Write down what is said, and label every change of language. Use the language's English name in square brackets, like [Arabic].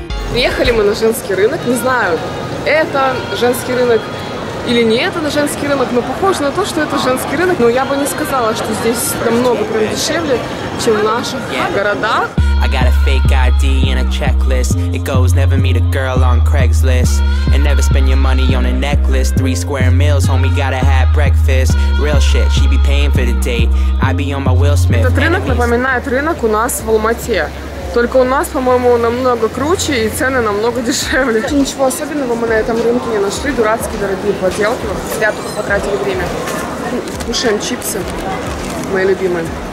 [Russian] Приехали мы на женский рынок, не знаю, это женский рынок или не это женский рынок, но похоже на то, что это женский рынок. Но я бы не сказала, что здесь намного прям дешевле, чем в наших городах. [English] I got a fake ID and a checklist. It goes, never meet a girl on Craigslist. And never spend your money on a necklace. Three square meals, homie, gotta have breakfast. Real shit, she be paying for the date. I be on my Will Smith. [Russian] Этот рынок напоминает рынок у нас в Алма-Ате. Только у нас, по-моему, намного круче и цены намного дешевле. Ничего особенного мы на этом рынке не нашли. Дурацкие дорогие поделки. Зря только потратили время. Кушаем чипсы. Мои любимые.